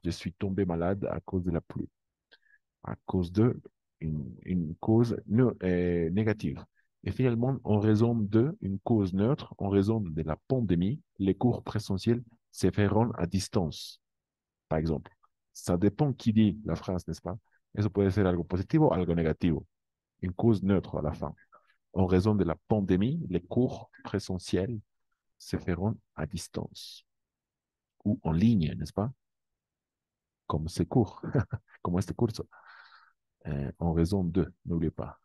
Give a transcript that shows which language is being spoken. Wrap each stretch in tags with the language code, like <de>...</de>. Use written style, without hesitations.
<fr>Je suis tombé malade à cause de la pluie. À cause de une cause négative. Et finalement, en raison de une cause neutre, en raison de la pandémie, les cours présentiels se feront à distance. Par exemple, ça dépend qui dit la phrase, n'est-ce pas?</fr> <es>Eso puede ser algo positivo o algo negativo.</es> <fr>Une cause neutre à la fin. En raison de la pandémie, les cours présentiels se feront à distance. Ou en ligne, n'est-ce pas? Comme ces cours. Comme</fr> <es>este curso.</es> <fr>En raison de, n'oubliez pas.</fr>